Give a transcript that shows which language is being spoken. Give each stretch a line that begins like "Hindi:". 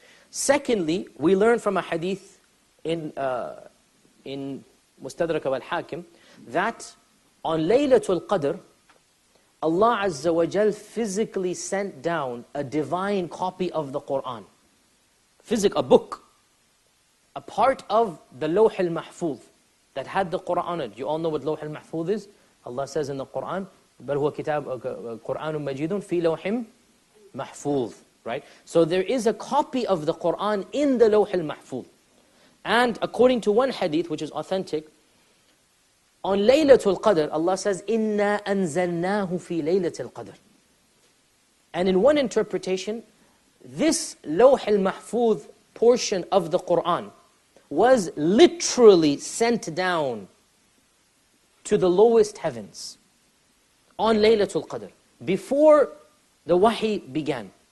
English: Secondly, we learn from a hadith in Mustadrak al-Hakim that on Laylatul Qadr, Allah Azza wa Jal physically sent down a divine copy of the Quran. Physic, a book. A part of the Lawh al-Mahfuz that had the Quran on it. You all know what Lawh al-Mahfuz is? Allah says in the Quran,
Arabic: بَلْ هُوَ كِتَابٌ قُرْآنٌ مَجِيدٌ فِي لَوْحٍ مَحْفُوظٍ.
English: Right? So there is a copy of the Quran in the Lawh al-Mahfuz. And according to one hadith, which is authentic, on Laylatul Qadr, Allah says,
Arabic: إِنَّا أَنزَلْنَاهُ فِي لَيْلَةِ الْقَدْرِ.
English: And in one interpretation, this Lawh al-Mahfuz portion of the Quran was literally sent down to the lowest heavens on Laylatul Qadr, before the wahi began.